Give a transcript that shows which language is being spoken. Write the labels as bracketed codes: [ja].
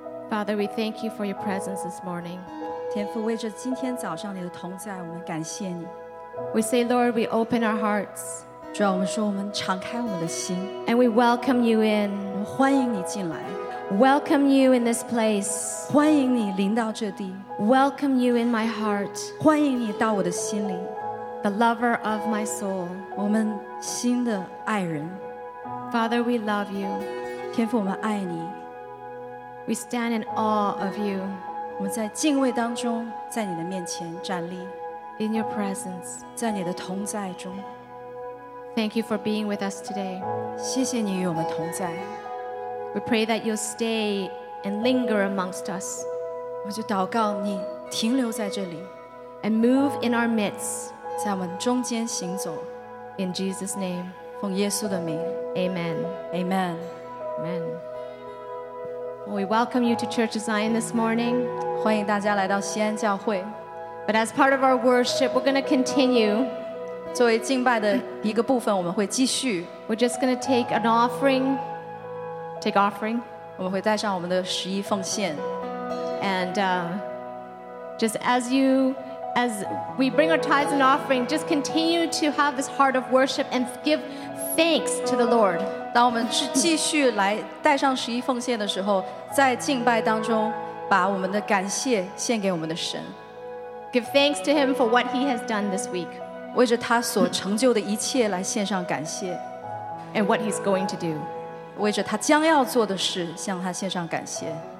[en] Father, we thank you for your presence this morning. [zh] 天父，为着今天早上你的同在，我们感谢你。 [en] We say, Lord, we open our hearts. [zh] 主啊，我们说我们敞开我们的心。 [en] And we welcome you in. [zh] 我们欢迎你进来。 [en] Welcome you in this place. [zh] 欢迎你临到这地。 [en] Welcome you in my heart. [zh] 欢迎你到我的心里。 [en] The lover of my soul. [zh] 我们新的爱人。 [en] Father, we love you. [zh] 天父，我们爱你。 [en] We stand in awe of you. [zh] 我们在敬畏当中，在你的面前站立。 [en] In your presence. [zh] 在你的同在中。 [en] Thank you for being with us today. [zh] 谢谢你与我们同在。 [en] We pray that you'll stay and linger amongst us. [zh] 我就祷告你停留在这里。 [en] And move in our midst. [zh] 在我们中间行走。 [en] In Jesus' name. [zh] 奉耶稣的名。 [en] Amen. Amen. Amen. We welcome you to Church of Zion this morning. [zh] 欢迎大家来到西安教会。 [en] But as part of our worship, we're going to continue. [zh] 作为敬拜的一个部分，我们会继续。 [en] We're just going to take an offering. Take offering. [zh] 我们会带上我们的十一奉献。 [en] And just as we bring our tithes and offering, just continue to have this heart of worship and give thanks to the Lord. [zh] 当我们是继续来带上十一奉献的时候，在敬拜当中，把我们的感谢献给我们的神。 [en] Give thanks to Him for what He has done this week. [zh] 为着他所成就的一切来献上感谢。 [en] And what He's going to do. [zh] 为着他将要做的事向他献上感谢。